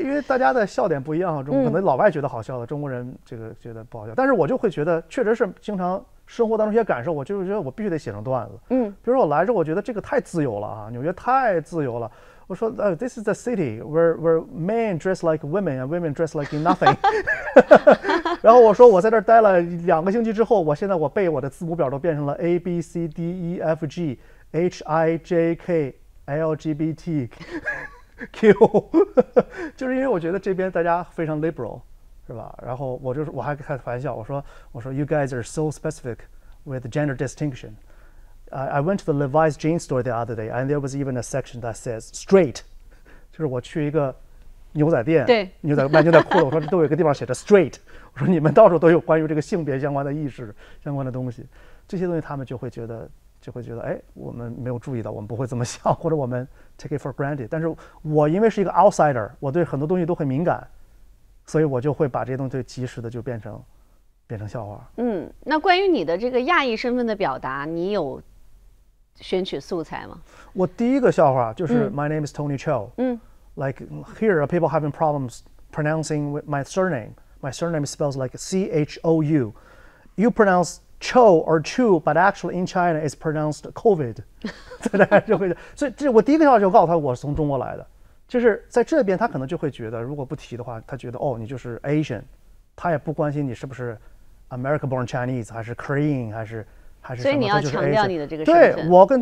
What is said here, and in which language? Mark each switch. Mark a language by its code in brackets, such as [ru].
[zh] 因为大家的笑点不一样，中可能老外觉得好笑的，中国人这个觉得不好笑，但是我就会觉得确实是经常生活当中一些感受，我就觉得我必须得写成段子。嗯，比如说我来之后我觉得这个太自由了啊，纽约太自由了。我说 [en] this is the city where men dress like women and women dress like nothing. [zh] 然后我说我在这儿待了两个星期之后，我现在我背我的字母表都变成了 ABCDEFGHIJKLGBTQ. 就是因为我觉得这边大家非常 liberal, 是吧？然后我还开玩笑，我说 [en] you guys are so specific with gender distinction. I went to the Levi's jeans store the other day, and there was even a section that says straight. [zh] 就是我去一个牛仔店，对，牛仔裤的，我说这都有一个地方写着 straight. 我说你们到处都有关于这个性别相关的意识、相关的东西，这些东西他们就会觉得，哎，我们没有注意到，我们不会这么想，或者我们 [en] take it for granted. [zh] 但是我因为是一个 outsider, 我对很多东西都很敏感，所以我就会把这些东西及时的就变成笑话。嗯，那关于你的这个亚裔身份的表达，你有选取素材吗？ [en] 我第一个笑话就是 My name is Tony Chow. 嗯，Like here are people having problems pronouncing my surname. My surname spells like C H O U. You pronounce Cho or Chu, but actually in China it's pronounced COVID. [zh] 所以这我第一个笑话就告诉他我是从中国来的，就是在这边他可能就会觉得，如果不提的话，他觉得哦你就是 Asian. 他也不关心你是不是 American-born Chinese 还是 Korean 还是什么，所以你要强调你的这个身份。